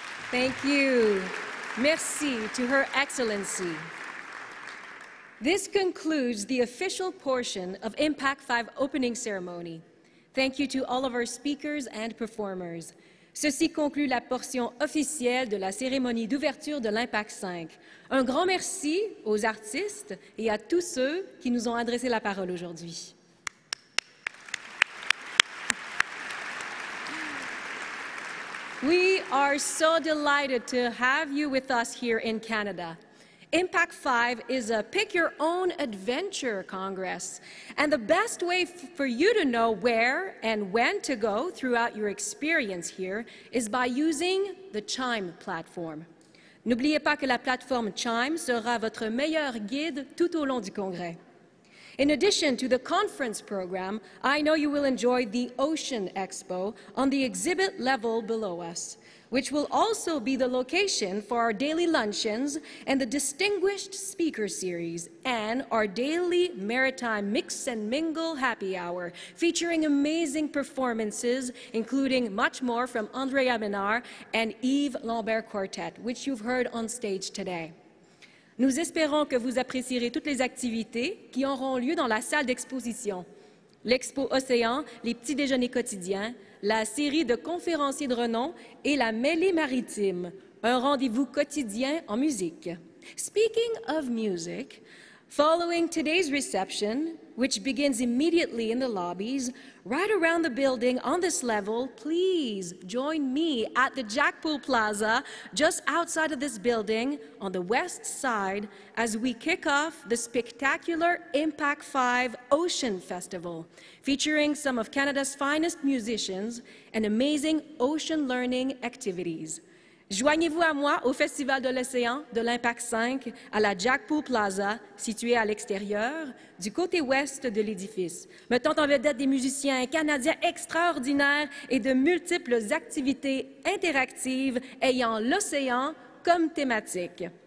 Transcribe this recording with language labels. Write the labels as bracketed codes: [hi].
[en] Thank you. Merci to Her Excellency. This concludes the official portion of IMPAC5 opening ceremony. Thank you to all of our speakers and performers. [fr] Ceci conclut la portion officielle de la cérémonie d'ouverture de l'IMPAC5. Un grand merci aux artistes et à tous ceux qui nous ont adressé la parole aujourd'hui. [en] We are so delighted to have you with us here in Canada. IMPAC 5 is a pick-your-own-adventure Congress, and the best way for you to know where and when to go throughout your experience here is by using the Chime platform. [fr] N'oubliez pas que la plateforme Chime sera votre meilleur guide tout au long du Congrès. [en] In addition to the conference program, I know you will enjoy the Ocean Expo on the exhibit level below us, which will also be the location for our daily luncheons and the Distinguished Speaker Series and our daily maritime mix and mingle happy hour, featuring amazing performances, including much more from Andrea Menard and Yves Lambert Quartet, which you've heard on stage today. [fr] Nous espérons que vous apprécierez toutes les activités qui auront lieu dans la salle d'exposition. L'expo Océans, les petits déjeuners quotidiens, la série de conférenciers de renom et la mêlée maritime, un rendez-vous quotidien en musique. [en] Speaking of music, following today's reception, which begins immediately in the lobbies, right around the building on this level, please join me at the Jackpool Plaza, just outside of this building, on the west side, as we kick off the spectacular IMPAC 5 Ocean Festival, featuring some of Canada's finest musicians and amazing ocean learning activities. [fr] Joignez-vous à moi au Festival de l'Océan de l'IMPAC 5 à la Jackpool Plaza, située à l'extérieur, du côté ouest de l'édifice, mettant en vedette des musiciens canadiens extraordinaires et de multiples activités interactives ayant l'océan comme thématique.